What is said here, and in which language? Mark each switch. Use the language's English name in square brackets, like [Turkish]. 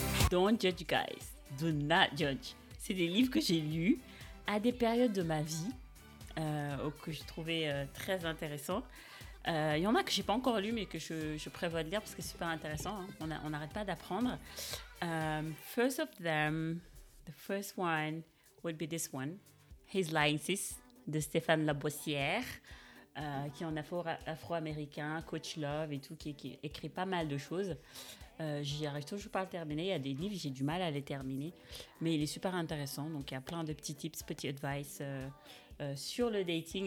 [English] Don't judge, guys. Do not judge. [French] C'est des livres que j'ai lus à des périodes de ma vie que j'ai trouvé très intéressants. Il y en a que je n'ai pas encore lus, mais que je prévois de lire parce que c'est super intéressant. Hein. On n'arrête pas d'apprendre. [English] First of them, the first one would be this one. [French] His Lying Sis, de Stéphane Labossière, qui est un afro-américain, coach love et tout, qui écrit pas mal de choses. J'y arrive toujours pas à le terminer. Il y a des livres, j'ai du mal à les terminer. Mais il est super intéressant. Donc, il y a plein de petits tips, petits advice sur le dating.